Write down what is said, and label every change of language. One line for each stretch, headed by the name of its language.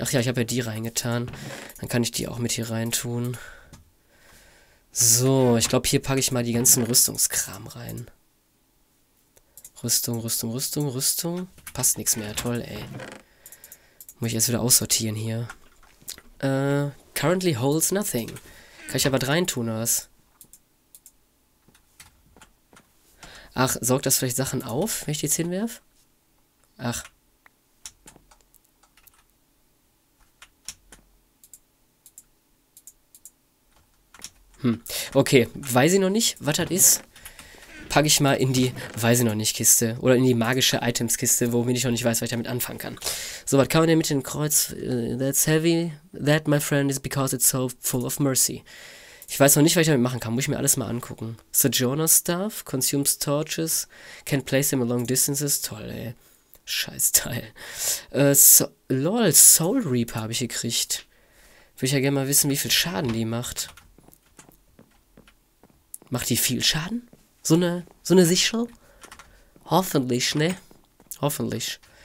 German: Ach ja, ich habe ja die reingetan. Dann kann ich die auch mit hier reintun. So, ich glaube, hier packe ich mal die ganzen Rüstungskram rein. Rüstung, Rüstung, Rüstung, Rüstung. Passt nichts mehr, toll, ey. Muss ich erst wieder aussortieren hier.
English: Currently holds nothing.
German: Kann ich aber reintun, oder was? Ach, sorgt das vielleicht Sachen auf, wenn ich die jetzt hinwerf? Ach. Okay, weiß ich noch nicht, was das ist. Packe ich mal in die weiß ich noch nicht Kiste. Oder in die magische Items Kiste, womit ich noch nicht weiß, was ich damit anfangen kann. So, was kann man denn mit dem Kreuz?
English: That's heavy. That, my friend, is because it's so full of mercy.
German: Ich weiß noch nicht, was ich damit machen kann. Muss ich mir alles mal angucken.
English: Sojourner Staff, consumes torches, can place them at long distances.
German: Toll, ey. Scheiß Teil. Soul Reaper habe ich gekriegt. Würde ich ja gerne mal wissen, wie viel Schaden die macht. Macht die viel Schaden? So eine Sichel? Hoffentlich, ne? Hoffentlich.